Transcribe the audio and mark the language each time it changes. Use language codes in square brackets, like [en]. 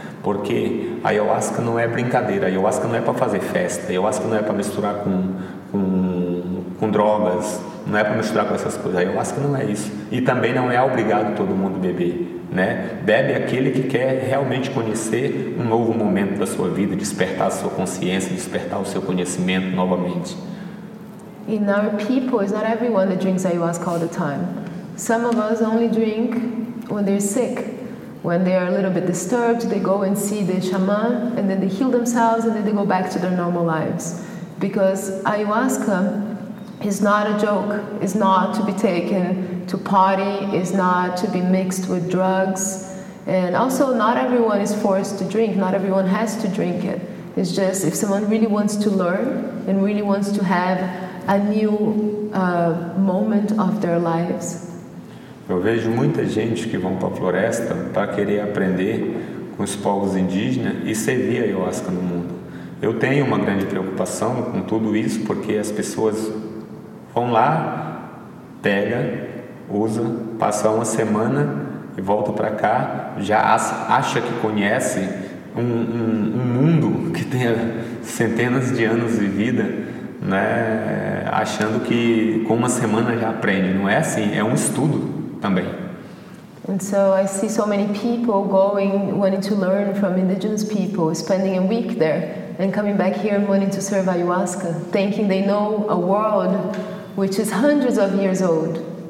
[pt] Porque a ayahuasca não é brincadeira, a ayahuasca não é para fazer festa, a ayahuasca não é para misturar com drogas, não é para misturar com essas coisas, a ayahuasca não é isso. E também não é obrigado todo mundo beber. Né? Bebe aquele que quer realmente conhecer um novo momento da sua vida, despertar a sua consciência, despertar o seu conhecimento novamente. [en] In our people, it's not everyone that drinks ayahuasca all the time. Some of us only drink when they're sick. When they are a little bit disturbed, they go and see the shaman, and then they heal themselves, and then they go back to their normal lives. Because ayahuasca is not a joke, it's not to be taken to party, is not to be mixed with drugs. And also, not everyone is forced to drink, not everyone has to drink it. It's just if someone really wants to learn and really wants to have a new moment of their lives. [pt] Eu vejo muita gente que vão para a floresta para querer aprender com os povos indígenas e servir a ayahuasca no mundo. Eu tenho uma grande preocupação com tudo isso porque as pessoas vão lá, pega, usa, passa uma semana e volta para cá, já acha que conhece um mundo que tem centenas de anos de vida, né, achando que com uma semana já aprende. Não é assim, é um estudo também. [en] And so I see so many people going, wanting to learn from indigenous people, spending a week there and coming back here and wanting to serve ayahuasca, thinking they know a world which is hundreds of years old.